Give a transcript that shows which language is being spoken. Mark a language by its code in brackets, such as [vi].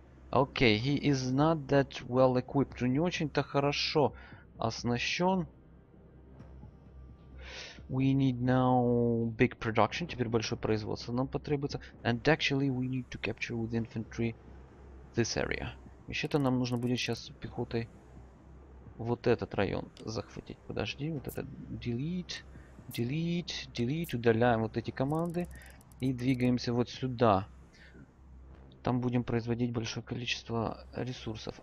[en] Окей, okay, he is not that well equipped. [ru] Он не очень-то хорошо оснащен. [en] We need now big production. [ru] Теперь большое производство нам потребуется. [en] And actually we need to capture with infantry this area. [ru] Еще-то нам нужно будет сейчас с пехотой вот этот район захватить. Подожди, вот это [en] delete, delete, delete. [ru] Удаляем вот эти команды и двигаемся вот сюда. Там будем производить большое количество ресурсов.